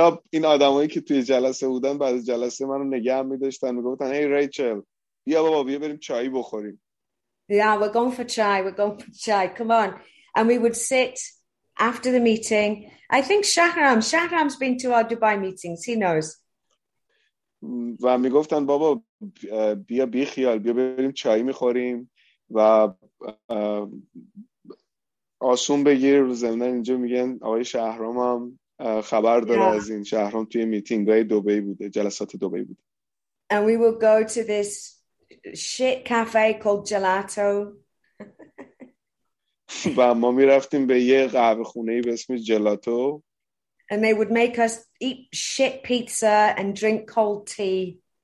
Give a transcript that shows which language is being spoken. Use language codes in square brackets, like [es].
[fa] این آدمایی که توی جلسه بودن بعد از جلسه منو نگه می‌داشتن میگفتن هی ریچل بیا بابا بیا بریم چای بخوریم. [en] Yeah, we're going for chai. Come on. And we would sit after the meeting. I think Shahram's been to our Dubai meetings. He knows. [fa] و میگفتن بابا بیا بی خیال بیا بریم چای میخوریم و آسون بگیر. زمین اینجا میگن آقای شهرام هم خبر داره از این. شهرام توی میتینگ های دبی بوده، جلسات دبی بوده. [en] And we will go to this shit cafe called Gelato. [fa] و ما میرفتیم به یه قهوه خونه به اسم جلاتو. [en] And they would make us eat shit pizza and drink cold tea.